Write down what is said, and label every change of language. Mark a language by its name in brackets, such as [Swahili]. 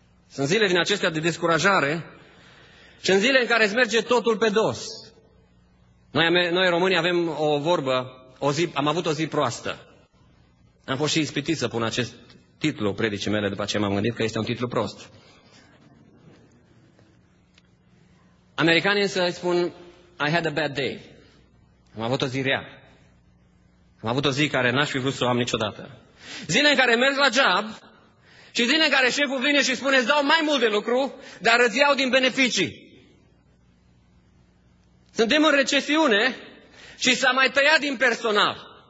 [Romanian] Sunt zile din acestea de descurajare și în zile în care îți merge totul pe dos. Noi românii avem o vorbă: am avut o zi proastă. Am fost și ispitit să pun acest titlu predicii mele după ce m-am gândit că este un titlu prost. Americanii să spun, [English] I had a bad day. [Romanian] Am avut o zi rea. Am avut o zi care n-aș fi vrut să o am niciodată. Zile în care merg la job și zile în care șeful vine și spune, îți dau mai mult de lucru, dar îți iau din beneficii. Suntem în recesiune și s-a mai tăiat din personal.